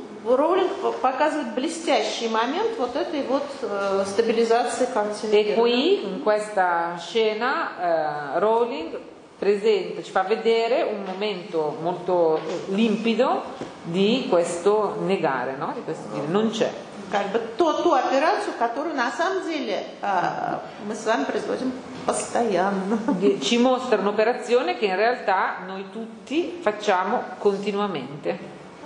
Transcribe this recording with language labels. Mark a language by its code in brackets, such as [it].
[ru] Роулинг показывает блестящий момент вот этой вот стабилизации картины. [it] E qui in questa scena Роулинг presenta, ci fa vedere un momento molto limpido di questo negare, no? Di questo dire non c'è. [ru] Как бы ту операцию, которую на самом деле мы с вами производим постоянно. [it] Ci mostra un'operazione che in realtà noi tutti facciamo continuamente.